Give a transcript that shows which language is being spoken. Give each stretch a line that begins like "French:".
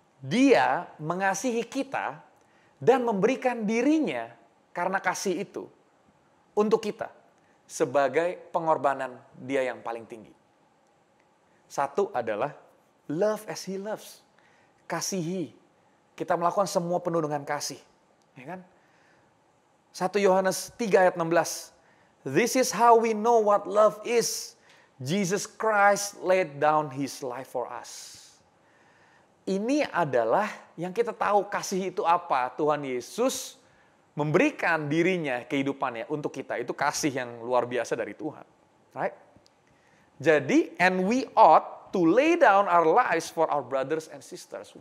Indonesian: Dia mengasihi kita dan memberikan dirinya karena kasih itu untuk kita sebagai pengorbanan dia yang paling tinggi.
English: 1 adalah love as he loves. Kasihi.
Indonesian: Kita melakukan semua penuh dengan kasih. Ya kan? 1 Yohanes 3 ayat 16.
English: This is how we know what love is. Jesus Christ laid down his life for us.
Indonesian: Ini adalah yang kita tahu kasih itu apa. Tuhan Yesus memberikan dirinya, kehidupannya untuk kita. Itu kasih yang luar biasa dari Tuhan.
English: Right? Jadi, and we ought to lay down our lives for our brothers and sisters.